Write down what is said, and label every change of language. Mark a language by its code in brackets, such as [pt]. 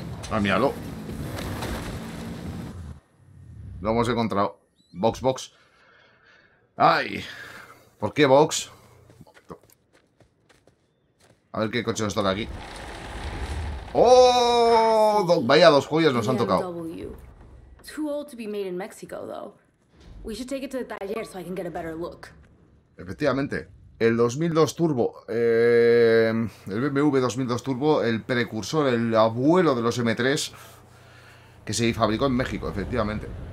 [es] Ah, míralo. Lo hemos encontrado. Box, box. ¡Ay! ¿Por qué box? A ver qué coche nos toca aquí. ¡Oh! Vaya, dos joyas nos han tocado. [en] Too old to be made in Mexico, though. We should take it to the taller so I can get a better look. [es] Efectivamente. El 2002 Turbo. El BMW 2002 Turbo, el precursor, el abuelo de los M3. Que se fabricó en México, efectivamente.